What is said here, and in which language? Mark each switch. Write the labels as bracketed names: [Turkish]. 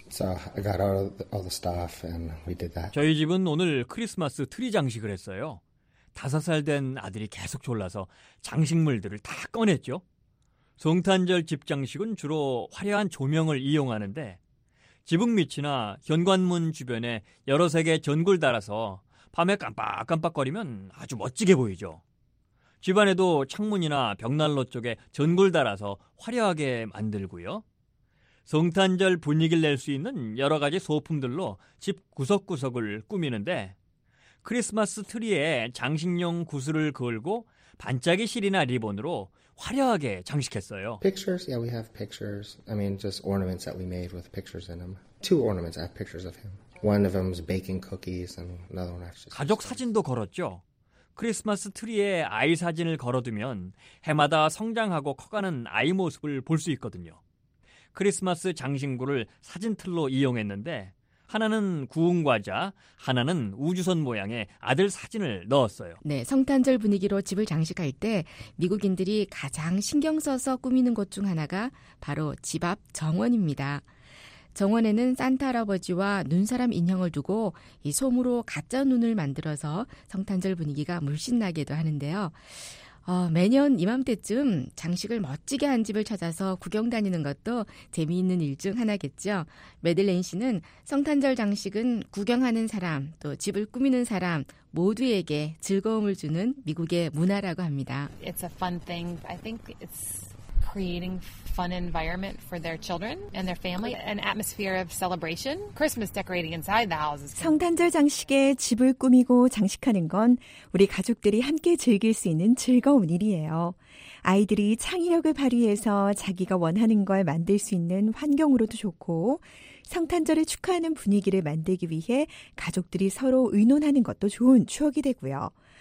[English] So I got all the stuff and we did that. [Korean] 저희 집은 오늘 크리스마스 트리 장식을 했어요. 5살 된 아들이 계속 졸라서 장식물들을 다 꺼냈죠. 성탄절 집 장식은 주로 화려한 조명을 이용하는데 지붕 밑이나 현관문 주변에 여러 색의 전구를 달아서 밤에 깜빡깜빡거리면 아주 멋지게 보이죠. 집안에도 창문이나 벽난로 쪽에 전구를 달아서 화려하게 만들고요. 성탄절 분위기를 낼 수 있는 여러 가지 소품들로 집 구석구석을 꾸미는데 크리스마스 트리에 장식용 구슬을 걸고 반짝이 실이나 리본으로 화려하게 장식했어요. [English] Pictures? Yeah, we have pictures. I mean, just ornaments that we made with pictures in them. Two ornaments. I have pictures of him. One of them is baking cookies and another one actually. [Korean] 가족 사진도 걸었죠. 크리스마스 트리에 아이 사진을 걸어두면 해마다 성장하고 커가는 아이 모습을 볼 수 있거든요. 크리스마스 장신구를 사진틀로 이용했는데 하나는 구운 과자, 하나는 우주선 모양의 아들 사진을 넣었어요. 네, 성탄절 분위기로 집을 장식할 때 미국인들이 가장 신경 써서 꾸미는 것 중 하나가 바로 집 앞 정원입니다. 정원에는 산타 할아버지와 눈사람 인형을 두고 이 솜으로 가짜 눈을 만들어서 성탄절 분위기가 물씬 나기도 하는데요. 매년 이맘때쯤 장식을 멋지게 한 집을 찾아서 구경 다니는 것도 재미있는 일 중 하나겠죠. 메들렌 씨는 성탄절 장식은 구경하는 사람, 또 집을 꾸미는 사람 모두에게 즐거움을 주는 미국의 문화라고 합니다. [English] It's a fun thing. I think it's creating fun environment for their children and their family, an atmosphere of celebration. Christmas decorating inside the house. [Korean] 성탄절 장식에 집을 꾸미고 장식하는 건 우리 가족들이 함께 즐길 수 있는 즐거운 일이에요. 아이들이 창의력을 발휘해서 자기가 원하는 걸 만들 수 있는 환경으로도 좋고, 성탄절을 축하하는 분위기를 만들기 위해 가족들이 서로 의논하는 것도 좋은 추억이 되고요.